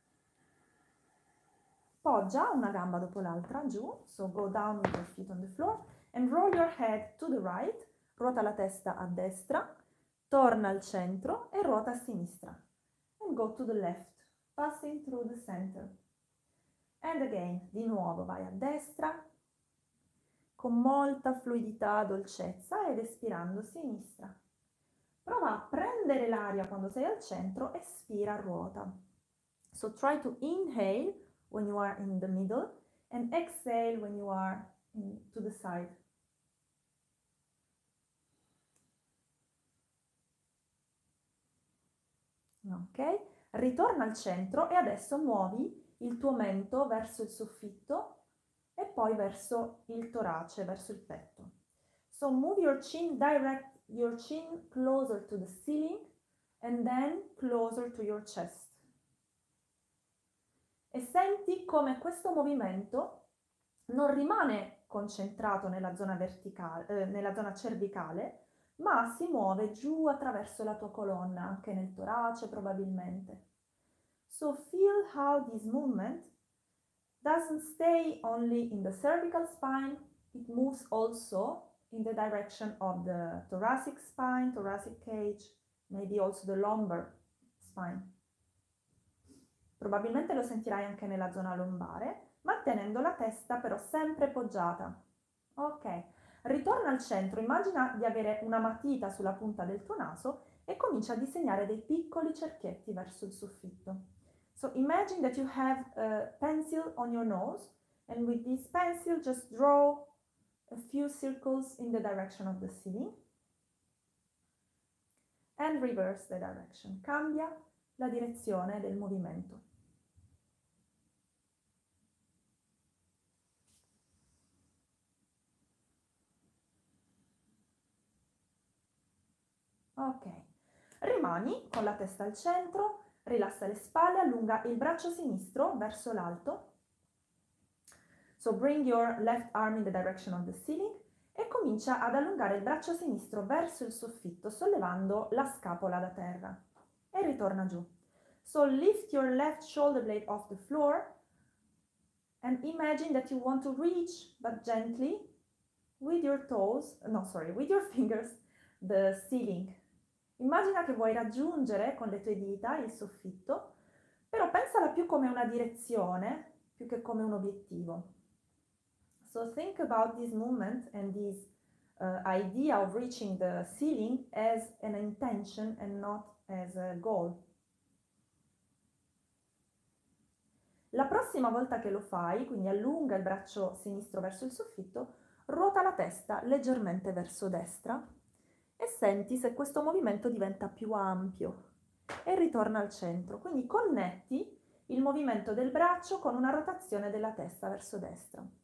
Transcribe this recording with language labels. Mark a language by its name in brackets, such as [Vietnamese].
[English] Ok. [Italian] Poggia una gamba dopo l'altra giù, [English] so go down with your feet on the floor and roll your head to the right. [Italian] Ruota la testa a destra, torna al centro e ruota a sinistra. [English] And go to the left, passing through the center. And again, [Italian] di nuovo vai a destra con molta fluidità, dolcezza ed espirando sinistra. Prova a prendere l'aria quando sei al centro, espira, ruota. [English] So try to inhale when you are in the middle and exhale when you are to the side. [Italian] Ok, ritorna al centro e adesso muovi il tuo mento verso il soffitto e poi verso il torace, verso il petto. [English] So move your chin, direct your chin closer to the ceiling and then closer to your chest. [Italian] E senti come questo movimento non rimane concentrato nella zona verticale, nella zona cervicale, ma si muove giù attraverso la tua colonna, anche nel torace probabilmente. [English] So feel how this movement doesn't stay only in the cervical spine, it moves also in the direction of the thoracic spine, thoracic cage, maybe also the lumbar spine. [Italian] Probabilmente lo sentirai anche nella zona lombare, mantenendo la testa però sempre poggiata. Ok, ritorna al centro, immagina di avere una matita sulla punta del tuo naso e comincia a disegnare dei piccoli cerchietti verso il soffitto. [English] So imagine that you have a pencil on your nose and with this pencil just draw a few circles in the direction of the ceiling and reverse the direction. [Italian] Cambia la direzione del movimento. Ok, rimani con la testa al centro, rilassa le spalle, allunga il braccio sinistro verso l'alto. [English] So bring your left arm in the direction of the ceiling [Italian] e comincia ad allungare il braccio sinistro verso il soffitto, sollevando la scapola da terra. E ritorna giù. [English] So lift your left shoulder blade off the floor and imagine that you want to reach, but gently, with your toes, no sorry, with your fingers, the ceiling. [Italian] Immagina che vuoi raggiungere con le tue dita il soffitto, però pensala più come una direzione, più che come un obiettivo. [English] So think about this movement and this idea of reaching the ceiling as an intention and not as a goal. [Italian] La prossima volta che lo fai, quindi allunga il braccio sinistro verso il soffitto, ruota la testa leggermente verso destra. E senti se questo movimento diventa più ampio e ritorna al centro. Quindi connetti il movimento del braccio con una rotazione della testa verso destra.